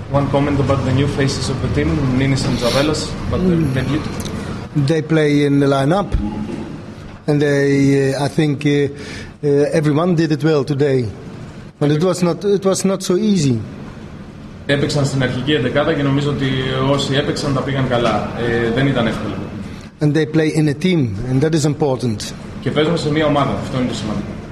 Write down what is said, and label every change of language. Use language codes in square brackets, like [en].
[en] One comment about the new faces of the team, Ninis and Zavellas, but their debut. They play in the lineup. And I think everyone did it well today. But it was not so easy. [el] Έπαιξαν στην αρχική εντεκάδα και νομίζω ότι όσοι έπαιξαν τα πήγαν καλά. Δεν ήταν εύκολο. [en] And they play in a team, and that is important. [el] Και παίζουν σε μια ομάδα. Αυτό είναι το σημαντικό.